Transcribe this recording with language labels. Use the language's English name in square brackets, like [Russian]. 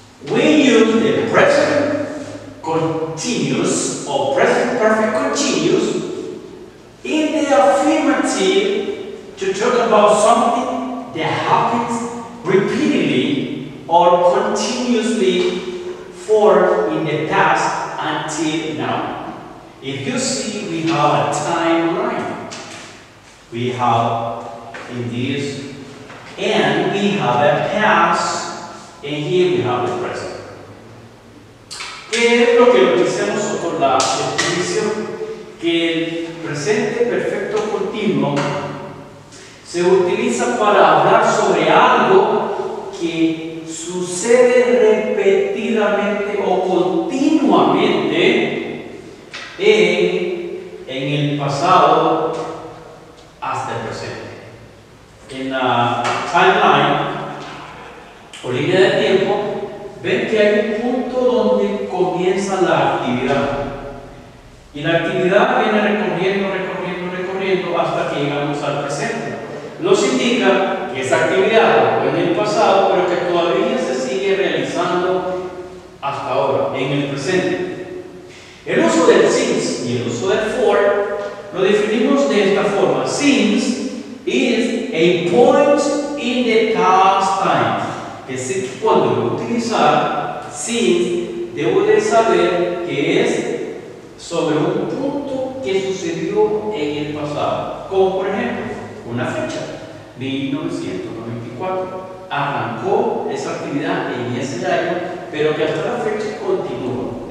[English] We use the present continuous or present perfect continuous in the affirmative to talk about something that happens repeatedly or continuously for in the past until now. If you see, we have a timeline. We have in this, and we have a past, and here we have the present. [Spanish] ¿Qué es lo que utilizamos con la definición? Que el presente perfecto continuo se utiliza para hablar sobre algo que sucede repetidamente o continuamente en el pasado hasta el presente. En la timeline o línea de tiempo, ven que hay un punto donde comienza la actividad. Y la actividad viene recorriendo, recorriendo, recorriendo hasta que llegamos al presente. Nos indica que esa actividad fue en el pasado, pero que todavía se sigue realizando hasta ahora, en el presente. El uso del since y el uso del for lo definimos de esta forma. [English] Since is a point in the past time. [Spanish] Que si cuando lo utilizar, since debo de saber que es sobre un punto que sucedió en el pasado. Como por ejemplo, una fecha, 1994. Arrancó esa actividad en ese año, pero que hasta la fecha continúa.